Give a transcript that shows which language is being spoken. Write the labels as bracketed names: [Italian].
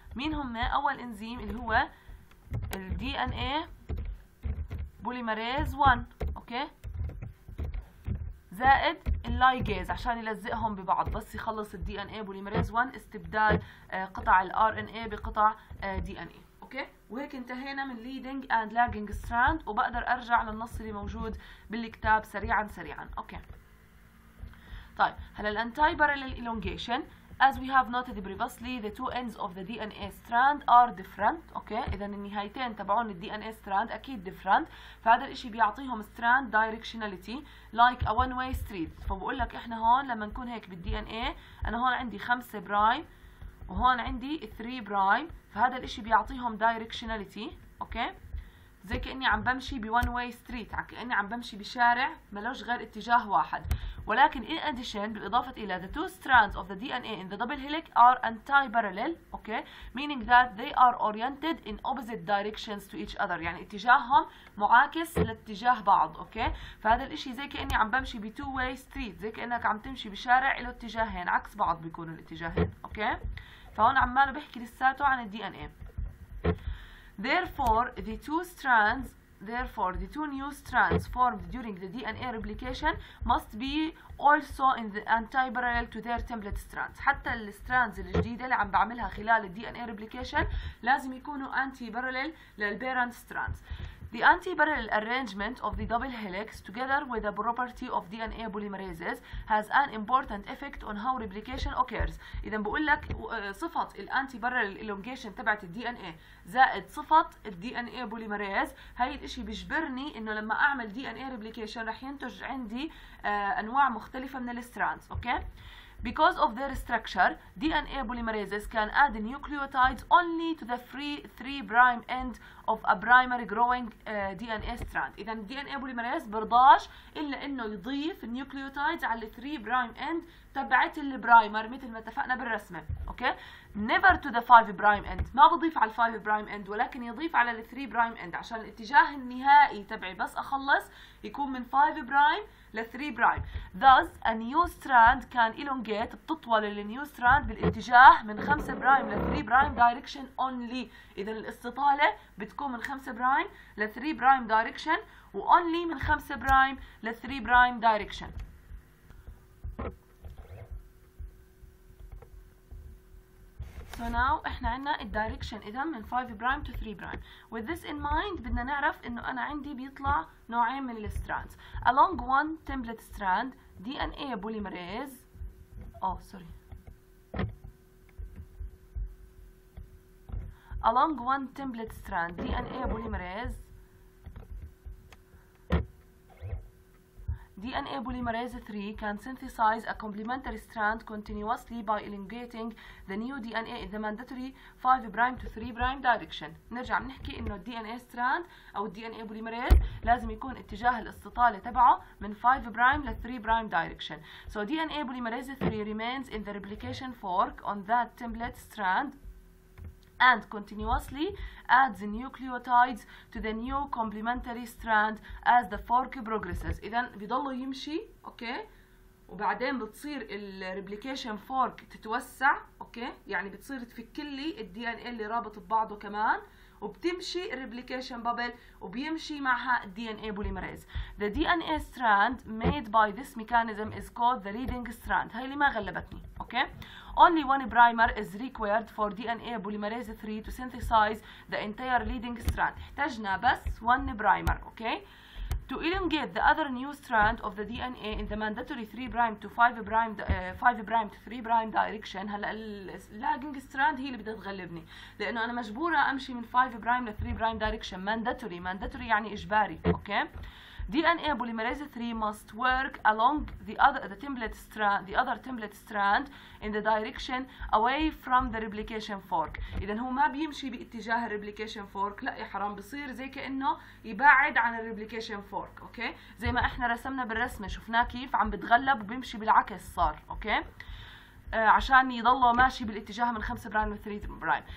[Arabic] مين هم؟ اول انزيم اللي هو الدي ان اي بوليماريز 1 اوكي، زائد اللايجيز عشان يلزقهم ببعض. بس يخلص الدي ان اي بوليماريز 1 استبدال قطع الار ان اي بقطع دي ان اي اوكي. وهيك انتهينا من ليدنج اند لاجنج ستراند، وبقدر ارجع للنص اللي موجود بالكتاب سريعا سريعا اوكي. [English] طيب هلا الانتي بارلل الونجيشن، as we have noted previously the two ends of the DNA strand are different okay. [Arabic] اذا النهايتين تبعون الدي ان اي ستراند اكيد different، فهذا الشيء بيعطيهم strand directionality [English] like a one way street. [Arabic] فبقول لك احنا هون لما نكون هيك بالدي ان اي، انا هون عندي 5 برايم وهون عندي 3 برايم، فهذا الشيء بيعطيهم directionality okay. زي كاني عم بمشي ب one way street، كاني عم بمشي بشارع ما لهش غير اتجاه واحد. ولكن [English] in addition، [Arabic] بالإضافة إلى [English] the two strands of the DNA in the double helix are anti-parallel okay، meaning that they are oriented in opposite directions to each other، [Arabic] يعني اتجاههم معاكس لاتجاه بعض [English] okay. [Arabic] فهذا الإشي زي كأني عم بمشي ب two way street، زي كأنك عم تمشي بشارع له اتجاهين عكس بعض بيكونوا الاتجاهين okay. فهون عمال بحكي لساته عن الDNA. [English] Therefore the two strands therefore the two new strands formed during the DNA replication must be also in the anti-parallel to their template strands. [Arabic] حتى الستراندز الجديدة اللي عم بعملها خلال الدي ان اي ريبليكيشن لازم يكونوا anti-parallel للبيرنت ستراندز. [English] The anti-parallel arrangement of the double helix together with the property of DNA polymerases has an important effect on how replication occurs. [Arabic] إذا بقول لك صفة الـ anti-parallel elongation تبعت الـ DNA زائد صفة الـ DNA polymerase، هاي الإشي بيجبرني إنه لما أعمل DNA replication رح ينتج عندي أنواع مختلفة من الـ strands، أوكي؟ [English] Because of their structure, DNA polymerases can add nucleotides only to the three prime end of a primary growing DNA strand. [Arabic] إذا DNA polymerase برضاش إلا إنه يضيف nucleotides على three prime end تبعت ال primer مثل ما اتفقنا بالرسمة. [English] Okay? Never to the five prime end. [Arabic] ما بضيف على five prime end ولكن يضيف على three prime end عشان الاتجاه النهائي تبعي بس أخلص يكون من five prime ل 3 برايم. [English] Thus a new strand can elongate [Arabic] بتطول ال [English] new strand بالاتجاه من 5 prime ل 3 برايم direction only. [Arabic] إذا الاستطالة بتكون من 5 برايم ل 3 برايم direction و only من 5 برايم ل 3 برايم direction. [English] So now [Arabic] احنا عنا ال direction إذا من 5 برايم to 3 برايم. [English] With this in mind [Arabic] بدنا نعرف إنه أنا عندي بيطلع نوعين من ال strands. [English] Along one template strand DNA polymerase Along one template strand DNA polymerase DNA polymerase 3 can synthesize a complementary strand continuously by elongating the new DNA in the mandatory 5 prime to 3 prime direction. [Arabic] نرجع بنحكي انه DNA strand او DNA polymerase لازم يكون اتجاه الاستطالة تبعه من 5 prime ل 3 prime direction. [English] So DNA polymerase 3 remains in the replication fork on that template strand and continuously adds nucleotides to the new complementary strand as the fork progresses. [Arabic] إذا بيضلوا يمشي أوكي، وبعدين بتصير ال replication fork تتوسع أوكي، يعني بتصير تفك لي ال DNA اللي رابط ببعضه كمان، وبتمشي ال replication bubble وبيمشي معها ال DNA polymerase. [English] The DNA strand made by this mechanism is called the leading strand. [Arabic] هاي اللي ما غلبتني أوكي. [English] Only one primer is required for DNA polymerase 3 to synthesize the entire leading strand. [Arabic] احتاجنا بس [English] one primer, okay? To elongate the other new strand of the DNA in the mandatory 3 prime to 5 prime 5 prime to 3 prime direction. [Arabic] هلا اللاجنج ستراند هي اللي بدها تغلبني، لأنه أنا مجبورة أمشي من 5 prime ل 3 prime direction. [English] Mandatory mandatory [Arabic] يعني إجباري، [English] okay? DNA polymerase 3 must work along the other template strand in the direction away from the replication fork. [Arabic] إذا هو ما بيمشي باتجاه الريبليكيشن فورك، لا يا حرام، بصير زي كأنه يبعد عن الريبليكيشن فورك، أوكي؟ زي ما إحنا رسمنا بالرسمة شفناه كيف عم بتغلب وبيمشي بالعكس صار، أوكي؟ عشان يضله ماشي بالاتجاه من 5 برايم ل 3 برايم.